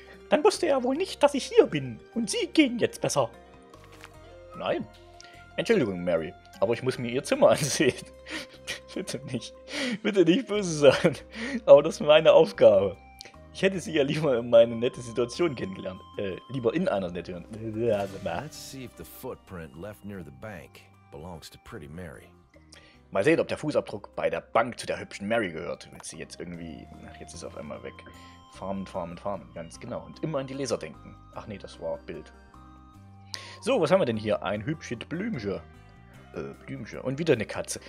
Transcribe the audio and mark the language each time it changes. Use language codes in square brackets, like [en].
[de] Dann wusste er wohl nicht, dass ich hier bin. Und Sie gehen jetzt besser. Nein. Entschuldigung, Mary. Aber ich muss mir Ihr Zimmer ansehen. Bitte nicht böse sein. Aber das ist meine Aufgabe. Ich hätte Sie ja lieber in meine nette Situation kennengelernt. Lieber in einer netten. [en] Let's see if the footprint left near the bank belongs to Pretty Mary. [de] Mal sehen, ob der Fußabdruck bei der Bank zu der hübschen Mary gehört. Wenn sie jetzt irgendwie... Ach, jetzt ist er auf einmal weg. Farmen. Ganz genau. Und immer an die Leser denken. Ach nee, das war Bild. So, was haben wir denn hier? Ein hübsches Blümchen. Blümchen. Und wieder eine Katze.